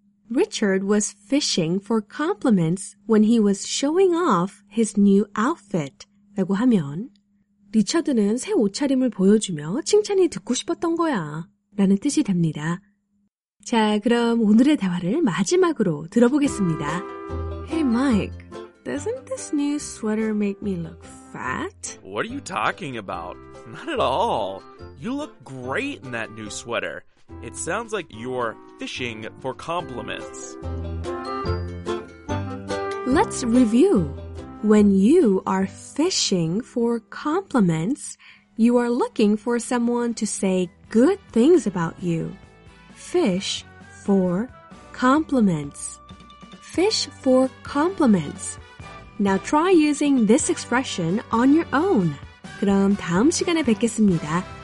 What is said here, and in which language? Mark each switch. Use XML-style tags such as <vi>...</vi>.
<en>Richard was fishing for compliments when he was showing off his new outfit.</en> <ko>라고 하면, 리처드는 새 옷차림을 보여주며 칭찬이 듣고 싶었던 거야. 라는 뜻이 됩니다. 자, 그럼 오늘의 대화를 마지막으로 들어보겠습니다.</ko> <en>Hey Mike, doesn't this new sweater make me look fat? What are you talking about? Not at all. You look great in that new sweater. It sounds like you're fishing for compliments. Let's review. When you are fishing for compliments, you are looking for someone to say good things about you. Fish for compliments. Fish for compliments. Now try using this expression on your own.</en> <ko>그럼 다음 시간에 뵙겠습니다.</ko>